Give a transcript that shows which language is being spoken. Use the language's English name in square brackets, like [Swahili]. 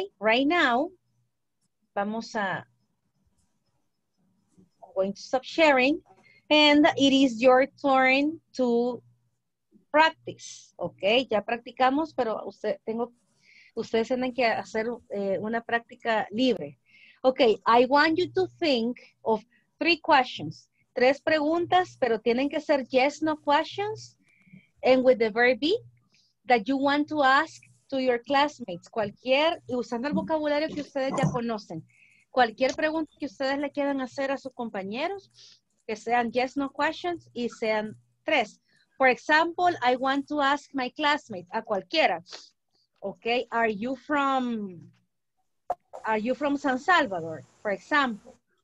[English] Right now, vamos a... I'm going to stop sharing. And it is your turn to practice. ¿Ok? [Spanish] Ya practicamos, pero ustedes tienen que hacer una práctica libre. ¿Ok? [English] I want you to think of three questions. [Spanish] Tres preguntas, pero tienen que ser yes, no questions. [English] And with the verb be that you want to ask to your classmates. [Spanish] Cualquier, y usando el vocabulario que ustedes ya conocen. Cualquier pregunta que ustedes le quieran hacer a sus compañeros, que sean yes, no questions y sean tres. [English] For example, I want to ask my classmate, a cualquiera. Okay, are you from San Salvador, for example.